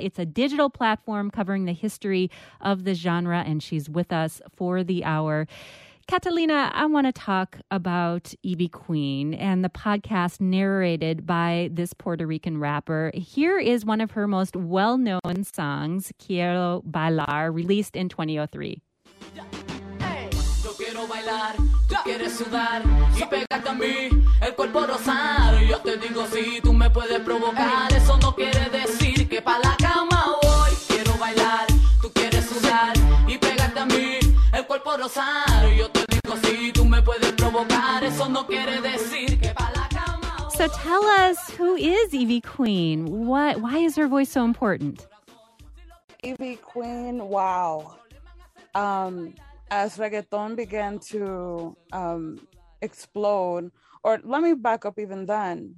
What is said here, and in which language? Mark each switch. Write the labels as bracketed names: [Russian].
[English] It's a digital platform covering the history of the genre, and she's with us for the hour. Catalina, I want to talk about Evie Queen and the podcast narrated by this Puerto Rican rapper. Here is one of her most well-known songs, Quiero Bailar, released in 2003. [Spanish] Quiero bailar, tú quieres sudar y pegarte a mí, el cuerpo rosar. Yo te digo si tú me puedes provocar, eso no quiere decir que pa' la cama voy. Quiero bailar, tú quieres sudar y pegarte a mí, el cuerpo rosar. Yo te digo si tú me puedes provocar, eso no quiere decir que pa' la cama voy. [English] So tell us, who is Evie Queen? Why is her voice so important? Evie Queen, wow. As reggaeton began to explode, or let me back up even then.